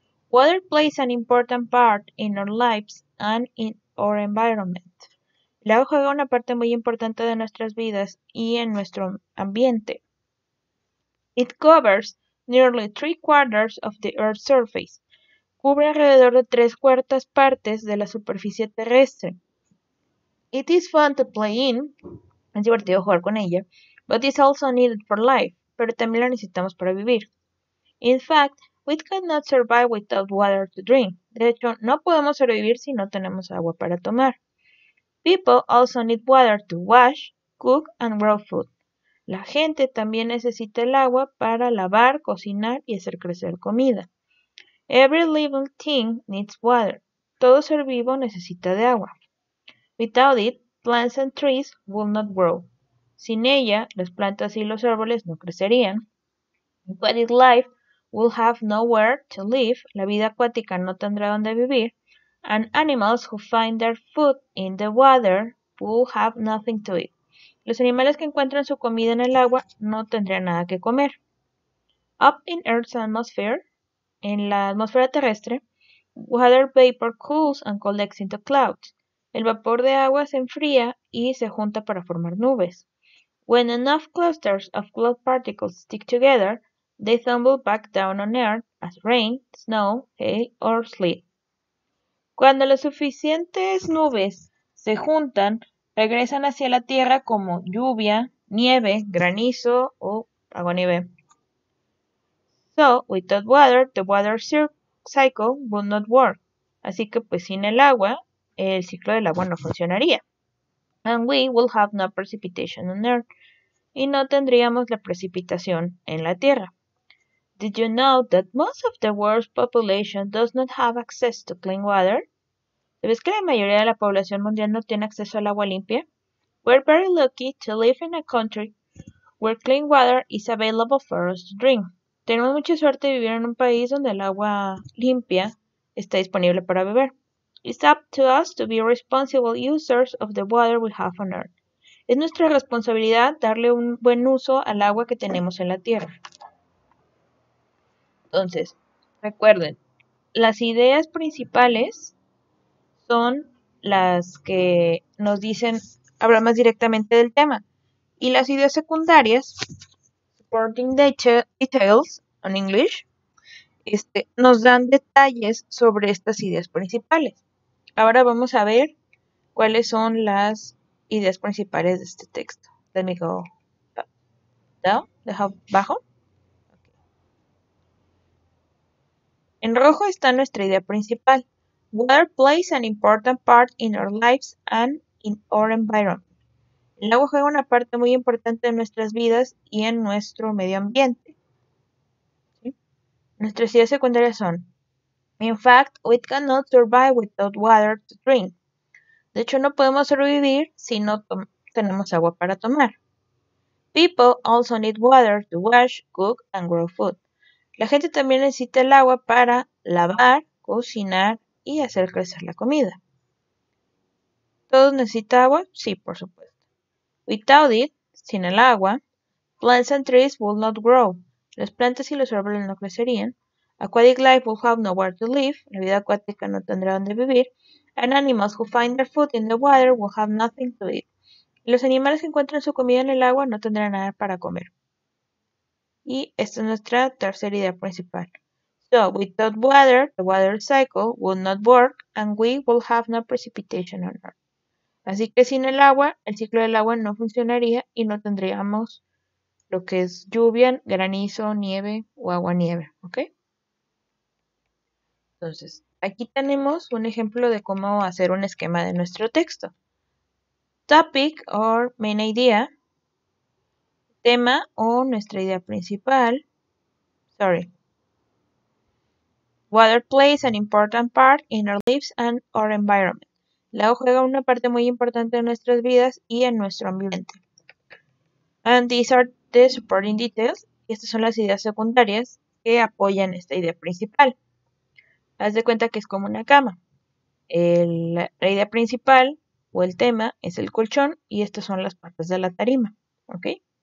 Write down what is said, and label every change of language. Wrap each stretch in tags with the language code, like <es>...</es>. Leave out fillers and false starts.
<en>Water plays an important part in our lives and in our environment.</en> <es>El agua juega una parte muy importante de nuestras vidas y en nuestro ambiente.</es> <en>It covers nearly 3/4 of the Earth's surface.</en> <es>Cubre alrededor de 3/4 partes de la superficie terrestre.</es> <en>It is fun to play in.</en> <es>Es divertido jugar con ella.</es> <en>But it's also needed for life.</en> <es>Pero también la necesitamos para vivir.</es> <en>In fact, we cannot survive without water to drink.</en> <es>De hecho, no podemos sobrevivir si no tenemos agua para tomar.</es> <en>People also need water to wash, cook, and grow food.</en> <es>La gente también necesita el agua para lavar, cocinar y hacer crecer comida.</es> <en>Every living thing needs water.</en> <es>Todo ser vivo necesita de agua.</es> <en>Without it, plants and trees will not grow.</en> <es>Sin ella, las plantas y los árboles no crecerían.</es> <en>Aquatic life will have nowhere to live.</en> <es>La vida acuática no tendrá donde vivir.</es> <en>And animals who find their food in the water will have nothing to eat.</en> <es>Los animales que encuentran su comida en el agua no tendrían nada que comer.</es> <en>Up in Earth's atmosphere,</en> <es>en la atmósfera terrestre,</es> <en>water vapor cools and collects into clouds.</en> <es>El vapor de agua se enfría y se junta para formar nubes.</es> <en>When enough clusters of cloud particles stick together, they tumble back down on Earth as rain, snow, hail, or sleet.</en> <es>Cuando las suficientes nubes se juntan, regresan hacia la Tierra como lluvia, nieve, granizo o aguanieve.</es> <en>So, without water, the water cycle would not work.</en> <es>Así que, pues, sin el agua, el ciclo del agua no funcionaría.</es> <en>And we will have no precipitation on Earth.</en> <es>Y no tendríamos la precipitación en la Tierra.</es> <en>Did you know that most of the world's population does not have access to clean water?</en> <es>¿Sabes que la mayoría de la población mundial no tiene acceso al agua limpia?</es> <en>We're very lucky to live in a country where clean water is available for us to drink.</en> <es>Tenemos mucha suerte de vivir en un país donde el agua limpia está disponible para beber.</es> <en>It's up to us to be responsible users of the water we have on Earth.</en> <es>Es nuestra responsabilidad darle un buen uso al agua que tenemos en la Tierra. Entonces, recuerden, las ideas principales son las que nos dicen, habla más directamente del tema. Y las ideas secundarias,</es> <en>supporting details</en> <es>en English, nos dan detalles sobre estas ideas principales. Ahora vamos a ver cuáles son las ideas principales de este texto.</es> <en>Let me go down,</en> <es>dejo bajo. En rojo está nuestra idea principal.</es> <en>Water plays an important part in our lives and in our environment.</en> <es>El agua juega una parte muy importante en nuestras vidas y en nuestro medio ambiente. ¿Sí? Nuestras ideas secundarias son:</es> <en>In fact, we cannot survive without water to drink.</en> <es>De hecho, no podemos sobrevivir si no tenemos agua para tomar.</es> <en>People also need water to wash, cook and grow food.</en> <es>La gente también necesita el agua para lavar, cocinar y hacer crecer la comida. ¿Todos necesitan agua? Sí, por supuesto.</es> <en>Without it,</en> <es>sin el agua,</es> <en>plants and trees will not grow.</en> <es>Las plantas y los árboles no crecerían.</es> <en>Aquatic life will have nowhere to live.</en> <es>La vida acuática no tendrá donde vivir.</es> <en>And animals who find their food in the water will have nothing to eat.</en> <es>Los animales que encuentran su comida en el agua no tendrán nada para comer. Y esta es nuestra tercera idea principal.</es> <en>So, without water, the water cycle would not work and we will have no precipitation on Earth.</en> <es>Así que sin el ciclo del agua no funcionaría y no tendríamos lo que es lluvia, granizo, nieve o agua-nieve, ¿ok? Entonces, aquí tenemos un ejemplo de cómo hacer un esquema de nuestro texto. Topic or main idea. Tema o nuestra idea principal. Sorry.</es> <en>Water plays an important part in our lives and our environment.</en> <es>El agua juega una parte muy importante en nuestras vidas y en nuestro ambiente.</es> <en>And these are the supporting details.</en> <es>Estas son las ideas secundarias que apoyan esta idea principal. Haz de cuenta que es como una cama. La idea principal o el tema es el colchón y estas son las partes de la tarima. ¿Okay?</es>